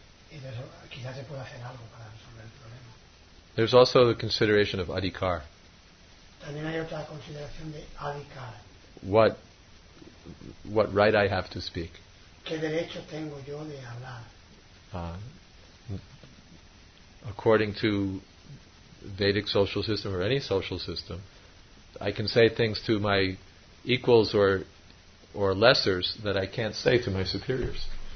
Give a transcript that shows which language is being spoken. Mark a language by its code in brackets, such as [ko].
[es] Entonces, quizás se pueda hacer algo para resolver el problema. [en] There's also the consideration of adhikar. [es] También hay otra consideración de adhikar. [en] What right I have to speak. [es] ¿Qué derecho tengo yo de hablar? [en] According to Vedic social system or any social system, I can say things to my equals or lessers that I can't say to my superiors.